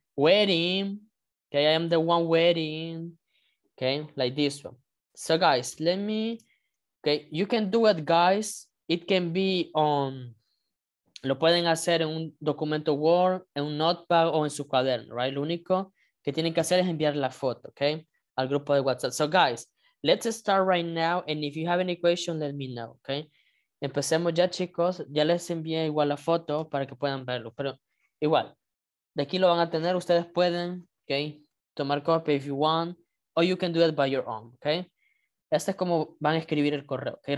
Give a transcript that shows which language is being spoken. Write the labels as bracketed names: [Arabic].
[English] Wearing, okay? I am the one wearing, okay? Like this one. So, guys, let me, okay? You can do it, guys. It can be on... [Spanish] Lo pueden hacer en un documento Word, en un notepad o en su cuaderno, right? Lo único que tienen que hacer es enviar la foto, okay? Al grupo de WhatsApp. [English] So, guys, let's start right now. And if you have any questions, let me know, okay? [Spanish] Empecemos ya, chicos. Ya les envié igual la foto para que puedan verlo. Pero igual, de aquí lo van a tener. Ustedes pueden, okay, tomar copia [English] if you want. Or you can do it by your own, okay? [Spanish] Este es como van a escribir el correo, okay?